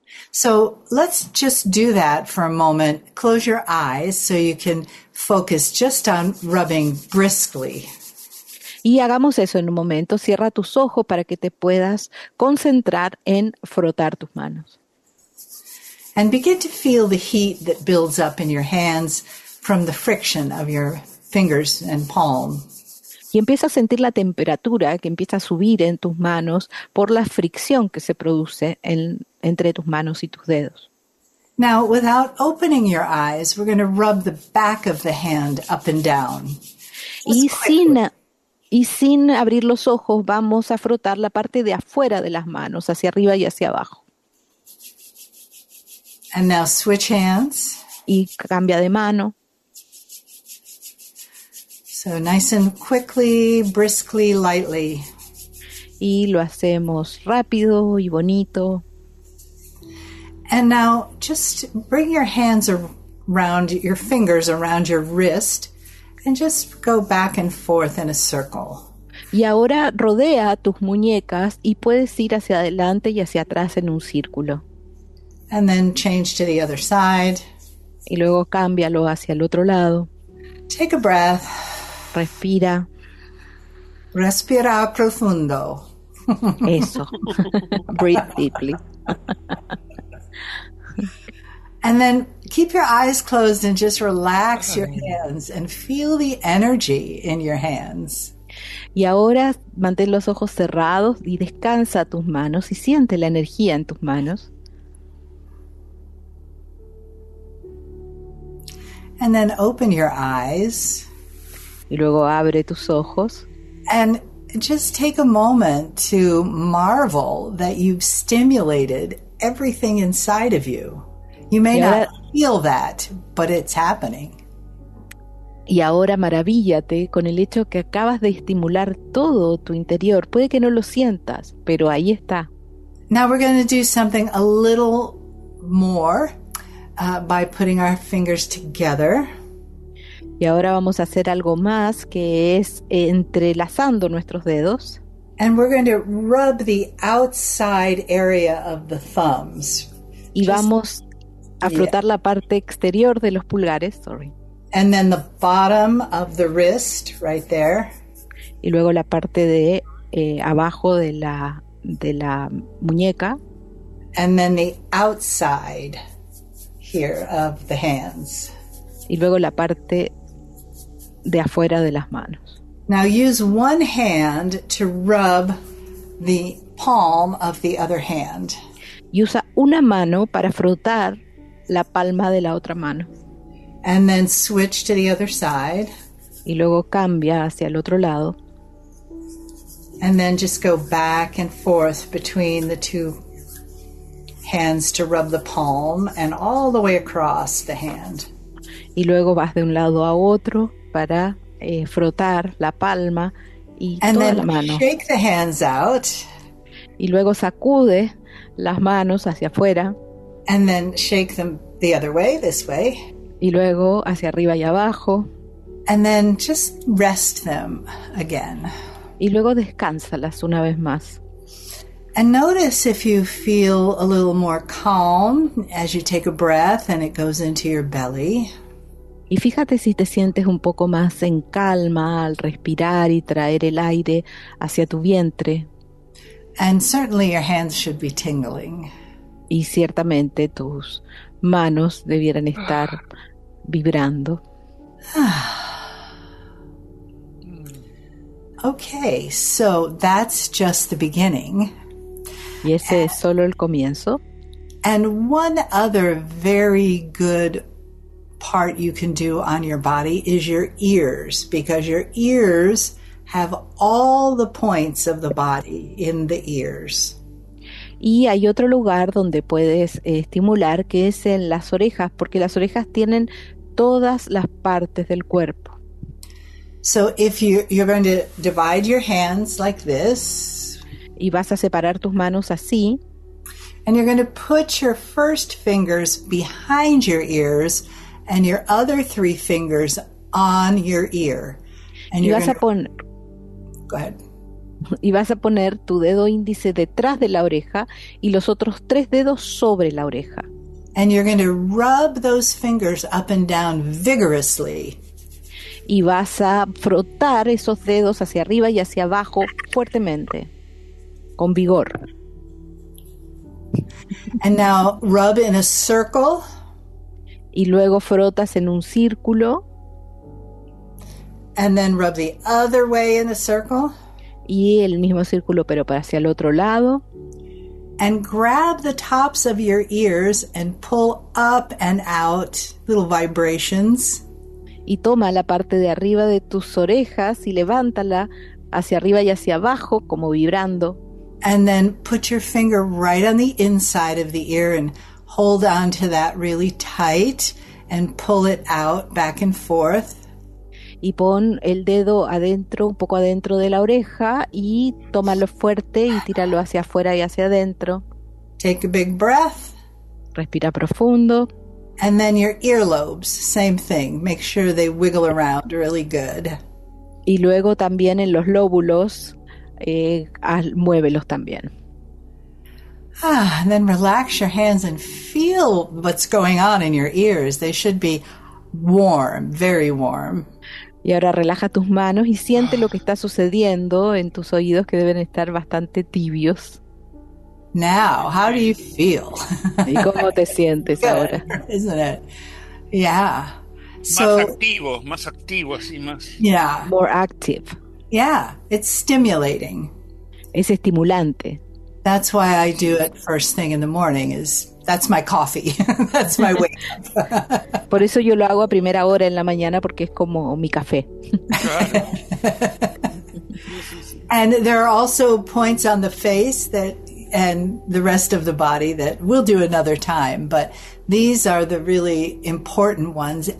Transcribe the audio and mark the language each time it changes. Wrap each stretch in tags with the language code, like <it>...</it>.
<en>So let's just do that for a moment. Close your eyes so you can focus just on rubbing briskly.</en> <es>Y hagamos eso en un momento. Cierra tus ojos para que te puedas concentrar en frotar tus manos.</es> <en>And begin to feel the heat that builds up in your hands from the friction of your fingers and palm.</en> <es>Y empieza a sentir la temperatura que empieza a subir en tus manos por la fricción que se produce entre tus manos y tus dedos.</es> <en>Now, without opening your eyes, we're going to rub the back of the hand up and down.</en> <es>Y sin abrir los ojos, vamos a frotar la parte de afuera de las manos, hacia arriba y hacia abajo.</es> <en>And now switch hands.</en> <es>Y cambia de mano.</es> <en>So nice and quickly, briskly, lightly.</en> <es>Y lo hacemos rápido y bonito.</es> <en>And now just bring your hands around your fingers around your wrist and just go back and forth in a circle.</en> <es>Y ahora rodea tus muñecas y puedes ir hacia adelante y hacia atrás en un círculo.</es> <en>And then change to the other side.</en> <es>Y luego cámbialo hacia el otro lado.</es> <en>Take a breath.</en> <es>Respira. Respira profundo. Eso.</es> <en>Breathe deeply. And then keep your eyes closed and just relax your hands and feel the energy in your hands.</en> <es>Y ahora mantén los ojos cerrados y descansa tus manos y siente la energía en tus manos.</es> <en>And then open your eyes.</en> <es>Y luego abre tus ojos.</es> <en>And just take a moment to marvel that you've stimulated everything inside of you. You may not feel that, but it's happening.</en> <es>Y ahora maravíllate con el hecho que acabas de estimular todo tu interior. Puede que no lo sientas, pero ahí está.</es> <en>Now we're going to do something a little more by putting our fingers together.</en> <es>Y ahora vamos a hacer algo más que es entrelazando nuestros dedos.</es> <en>And we're going to rub the outside area of the thumbs.</en> <es>Y vamos a frotar la parte exterior de los pulgares, sorry.</es> <en>And then the bottom of the wrist right there.</en> <es>Y luego la parte de abajo de la muñeca.</es> <en>And then the outside here of the hands.</en> <es>Y luego la parte de afuera de las manos.</es> <en>Now use one hand to rub the palm of the other hand.</en> <es>Y usa una mano para frotar la palma de la otra mano.</es> <en>And then switch to the other side.</en> <es>y luego cambia hacia el otro lado.</es> <en>And then just go back and forth between the two hands to rub the palm and all the way across the hand.</en> <es>Y luego vas de un lado a otro para frotar la palma y</es> <en>and</en> <es>toda la mano.</es> <en>And then shake the hands out.</en> <es>Y luego sacude las manos hacia afuera.</es> <en>And then shake them the other way, this way.</en> <es>Y luego hacia arriba y abajo.</es> <en>And then just rest them again.</en> <es>Y luego descánzalas una vez más.</es> <en>And notice if you feel a little more calm as you take a breath and it goes into your belly.</en> <es>Y fíjate si te sientes un poco más en calma al respirar y traer el aire hacia tu vientre.</es> <en>And certainly your hands should be tingling.</en> <es>Y ciertamente tus manos debieran estar vibrando.</es> <en>Okay, so that's just the beginning.</en> <es>Y ese es solo el comienzo.</es> <en>And one other very good part you can do on your body is your ears, because your ears have all the points of the body in the ears.</en> <es>Y hay otro lugar donde puedes estimular, que es en las orejas, porque las orejas tienen todas las partes del cuerpo.</es> <en>So if you're going to divide your hands like this,</en> <es>y vas a separar tus manos así,</es> <en>and you're going to put your first fingers behind your ears and your other three fingers on your ear. And you're going to</en> <es>poner,</es> <en>go ahead.</en> <es>Y vas a poner tu dedo índice detrás de la oreja y los otros tres dedos sobre la oreja.</es> <en>And you're going to rub those fingers up and down vigorously.</en> <es>Y vas a frotar esos dedos hacia arriba y hacia abajo fuertemente, con vigor.</es> <en>And now rub in a circle.</en> <es>Y luego frotas en un círculo.</es> <en>And then rub the other way in a circle.</en> <es>Y el mismo círculo, pero para hacia el otro lado.</es> <en>And grab the tops of your ears and pull up and out little vibrations.</en> <es>Y toma la parte de arriba de tus orejas y levántala hacia arriba y hacia abajo como vibrando.</es> <en>And then put your finger right on the inside of the ear and hold on to that really tight and pull it out back and forth.</en> <es>Y pon el dedo adentro, un poco adentro de la oreja, y tómalo fuerte y tíralo hacia afuera y hacia adentro.</es> <en>Take a big breath.</en> <es>Respira profundo.</es> <en>And then your earlobes, same thing. Make sure they wiggle around really good.</en> <es>Y luego también en los lóbulos, muévelos también.</es> <en>Ah, and then relax your hands and feel what's going on in your ears. They should be warm, very warm.</en> <es>Y ahora relaja tus manos y siente lo que está sucediendo en tus oídos, que deben estar bastante tibios.</es> <en>Now, how do you feel?</en> <es>¿Y cómo te sientes</es> <en>good,</en> <es>ahora?</es> <en>Isn't it? Yeah.</en> <es>So, más activo, así más.</es> <en>Yeah. More active. Yeah, it's stimulating.</en> <es>Es estimulante.</es> <en>That's why I do it first thing in the morning. That's my coffee. That's my wake up.</en> <es>Por eso yo lo hago a primera hora en la mañana, porque es como mi café.</es> <en>And there are also points on the face that and the rest of the body that we'll do another time, but these are the really important ones.</en>